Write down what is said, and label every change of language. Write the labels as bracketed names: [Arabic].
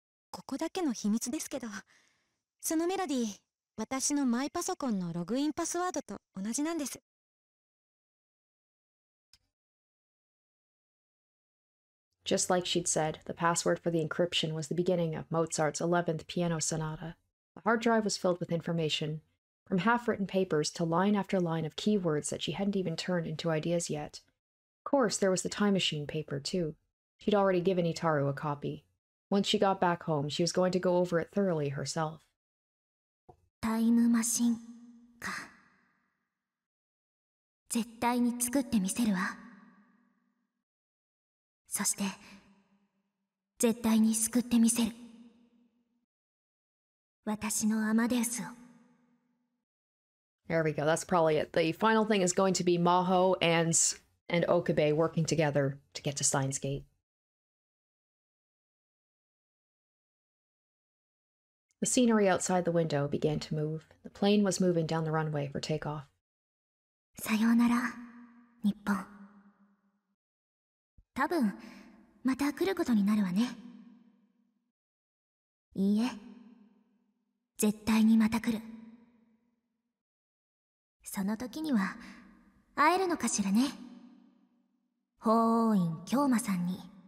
[Japanese] ここだけの秘密ですけど、そのメロディー、私のマイパソコンのログインパスワードと同じなんです。 [English] Just like she'd said, the password for the encryption was the beginning of Mozart's 11th piano sonata. The hard drive was filled with information, from half-written papers to line after line of keywords that she hadn't even turned into ideas yet. Of course, there was the time machine paper, too. She'd already given Itaru a copy. Once she got back home, she was going to go over it thoroughly herself. Time machine, か。 [Japanese] 絶対に作ってみせるわ。そして、絶対に救ってみせる。私のアマデウスを。 [English] There we go, that's probably it. The final thing is going to be Maho, Anz, and Okabe working together to get to Steins Gate. The scenery outside the window began to move. The plane was moving down the runway for takeoff. [Japanese] さようなら、日本。多分、また来ることになるわね。いいえ、絶対にまた来る。その時には、会えるのかしらね。法王院京馬さんに。